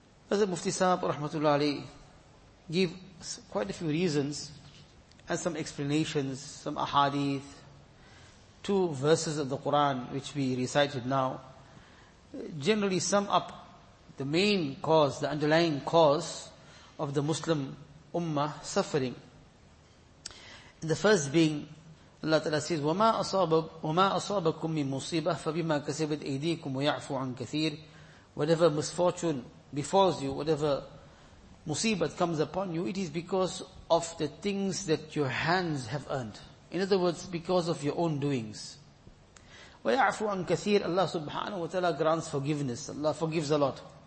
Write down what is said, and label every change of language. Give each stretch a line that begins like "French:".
English: Hazrat Mufti Sahib Rahmatullah Ali gave quite a few reasons and some explanations, some ahadith, two verses of the Quran which we recited now, generally sum up the main cause, the underlying cause of the Muslim Ummah suffering. And the first being, Allah Ta'ala says,
Arabic: وَمَا أَصَابَكُمْ مِنْ مُصِيبَةٍ فَبِمَا كَسَبَتْ أَيْدِيكُمْ وَيَعْفُ عَنْ كَثِيرٍ.
English: Whatever misfortune befalls you, whatever musibat comes upon you, it is because of the things that your hands have earned. In other words, because of your own doings.
Arabic: وَيَعْفُ عَنْ كَثِيرٍ.
English: Allah subhanahu wa ta'ala grants forgiveness. Allah forgives a lot.